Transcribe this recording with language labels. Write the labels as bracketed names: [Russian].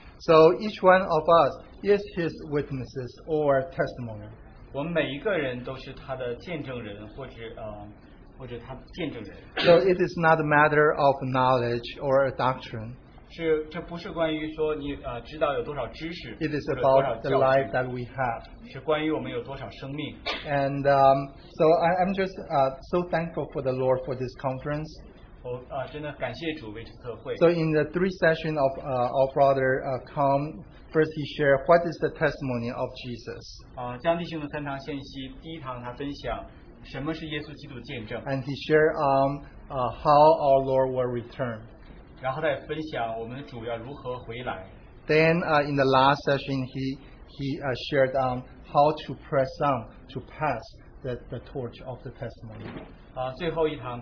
[English] So each one of us is his witnesses or testimony. [Chinese] 我们每一个人都是他的见证人，或者 [English] So it is not a matter of knowledge or a doctrine. [Chinese] 这不是关于说你, 知道有多少知识, [English] it is about the life that we have. [Chinese] 是关于我们有多少生命。 [English] And I'm just so thankful for the Lord for this conference. [Chinese] 真的感谢主为这次会。 [English] So in the three sessions of our brother Tom, first he shared what is the testimony of Jesus. [Chinese] 江弟兄的三堂信息，第一堂他分享。 [English] And he shared how our Lord will return. Then in the last session, he shared how to press on to pass the torch of the testimony.